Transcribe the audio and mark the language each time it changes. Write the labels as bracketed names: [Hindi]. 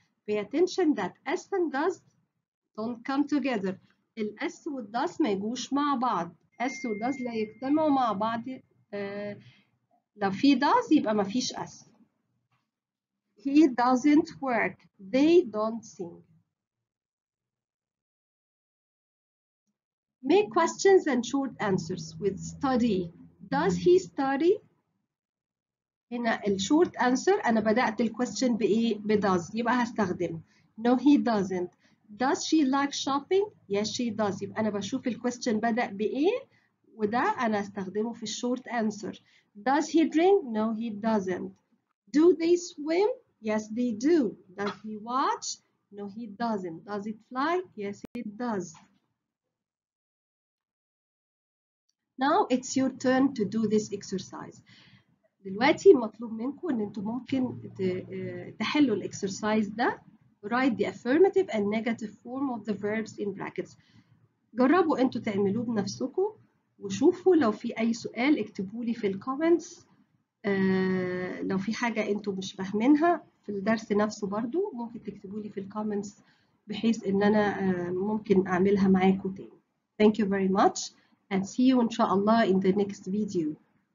[English] Pay attention that S and does don't come together. [Arabic] ال S و does ما يجوش مع بعض. S و does لا يجتمعوا مع بعض. لو في does يبقى ما فيش S. [English] He doesn't work. They don't sing. Make questions and short answers with study. Does he study? [Arabic] هنا ال short answer أنا بدأت ال question بإيه؟ ب does. يبقى هستخدم. [English] No, he doesn't. Does she like shopping? Yes, she does. [Arabic] يبقى أنا بشوف ال question بدأ بإيه؟ وده أنا أستخدمه في ال short answer. [English] Does he drink? No, he doesn't. Do they swim? Yes, they do. Does he watch? No, he doesn't. Does it fly? Yes, it does. Now it's your turn to do this exercise. [Arabic] دلوقتي مطلوب منكم ان انتم ممكن تحلوا الاكسرسايز ده [English] write the affirmative and negative form of the verbs in brackets. [Arabic] جربوا انتوا تعملوه بنفسكم وشوفوا لو في اي سؤال اكتبوا لي في الكومنتس. لو في حاجة انتوا مش فاهمينها في الدرس نفسه برضو ممكن تكتبوا لي في الكومنتس بحيث ان انا ممكن اعملها معاكم تاني. [English] Thank you very much and see you [Arabic] ان شاء الله [English] in the next video.